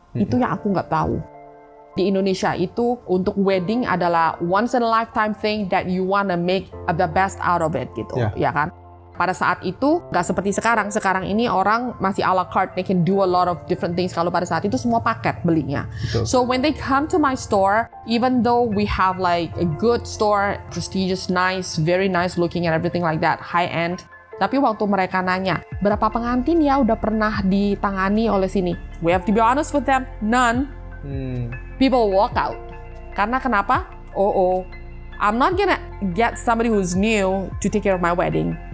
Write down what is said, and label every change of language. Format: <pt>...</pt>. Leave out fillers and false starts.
<id>Itu yang aku nggak tahu. Di Indonesia itu, untuk</id> <en>wedding</en> <id>adalah</id> <en>once in a lifetime thing that you wanna make the best out of it,</en> <id>gitu. Ya kan? Pada saat itu, nggak seperti sekarang. Sekarang ini orang masih a la carte,</id> <en>they can do a lot of different things.</en> <id>Kalau pada saat itu semua paket belinya. Betul.</id> <en>So when they come to my store, even though we have like a good store, prestigious, nice, very nice looking and everything like that, high end.</en> <id>Tapi waktu mereka nanya, berapa pengantin ya udah pernah ditangani oleh sini?</id> <en>We have to be honest with them, none. People walk out.</en> <id>Karena kenapa?</id> <en>Oh, I'm not gonna get somebody who's new to take care of my wedding.</en>